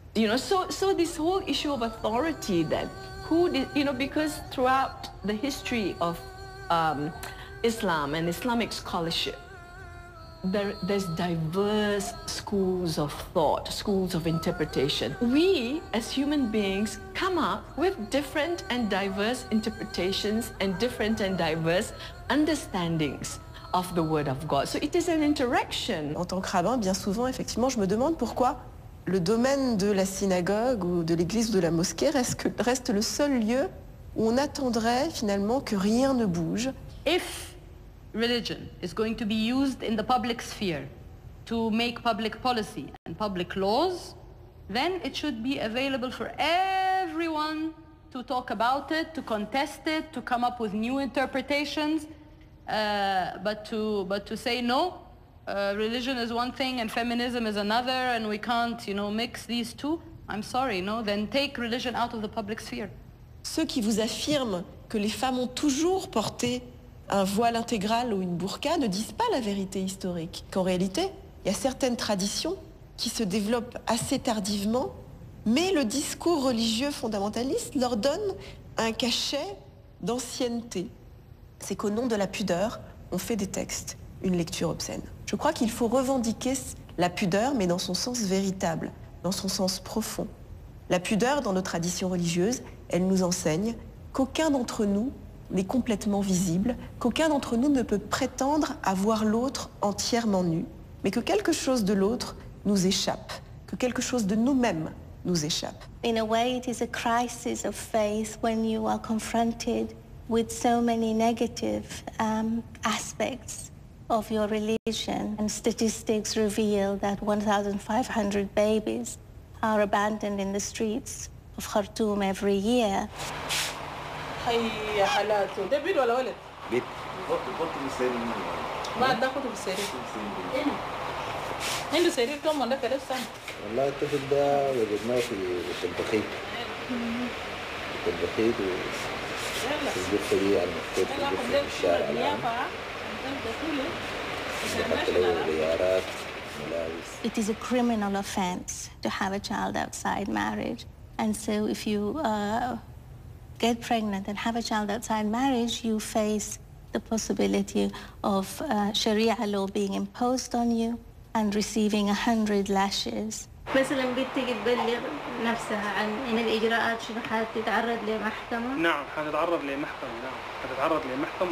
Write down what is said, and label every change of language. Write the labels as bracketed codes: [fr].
[en] You know, so this whole issue of authority then, who did, you know, because throughout the history of Islam and Islamic scholarship, there's diverse schools of thought, schools of interpretation. We, as human beings, come up with different and diverse interpretations and different and diverse understandings of the word of God. So it is an interaction. [fr] En tant que rabbin, bien souvent, effectivement, je me demande pourquoi le domaine de la synagogue ou de l'église ou de la mosquée reste le seul lieu où on attendrait finalement que rien ne bouge. [en] If religion is going to be used in the public sphere to make public policy and public laws, then it should be available for everyone to talk about it, to contest it, to come up with new interpretations. But to say no, religion is one thing and feminism is another, and we can't, you know, mix these two. I'm sorry, no. Then take religion out of the public sphere. [fr] Ceux qui vous affirment que les femmes ont toujours porté un voile intégral ou une burqa ne disent pas la vérité historique. Qu'en réalité, il y a certaines traditions qui se développent assez tardivement, mais le discours religieux fondamentaliste leur donne un cachet d'ancienneté. C'est qu'au nom de la pudeur, on fait des textes, une lecture obscène. Je crois qu'il faut revendiquer la pudeur, mais dans son sens véritable, dans son sens profond. La pudeur, dans nos traditions religieuses, elle nous enseigne qu'aucun d'entre nous n'est complètement visible, qu'aucun d'entre nous ne peut prétendre à voir l'autre entièrement nu, mais que quelque chose de l'autre nous échappe, que quelque chose de nous-mêmes nous échappe. [en] In a way, it is a crisis of faith when you are confronted with so many negative aspects of your religion. And statistics reveal that 1,500 babies are abandoned in the streets of Khartoum every year. It is a criminal offense to have a child outside marriage. And so if you get pregnant and have a child outside marriage, you face the possibility of Sharia law being imposed on you and receiving 100 lashes. [ar] مثلا بدي تبلغ نفسها عن ان الاجراءات شنو حتتعرض لمحكمه نعم حتتعرض لمحكمه نعم حتتعرض لمحكمه